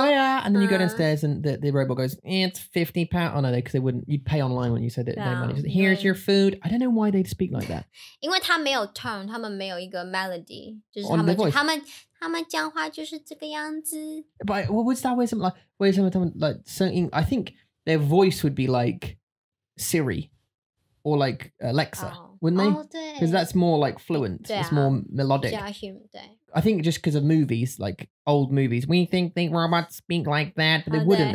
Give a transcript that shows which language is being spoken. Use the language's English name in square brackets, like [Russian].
[Chinese] 对啊, [English] and then you go downstairs and the robot goes, it's £50. Oh no, because they wouldn't, you'd pay online when you said it. Yeah, no money. Just, here's your food. I don't know why they'd speak like that. [Chinese] 因为他没有tone, 他们没有一个melody. 就是他们讲话就是这个样子。 [English] But what would that, where's someone, like, certain, I think their voice would be like Siri or like Alexa. Oh. Wouldn't they? Because that's more like fluent. It's more melodic. I think just because of movies, like old movies, we think the robots speak like that, but they wouldn't.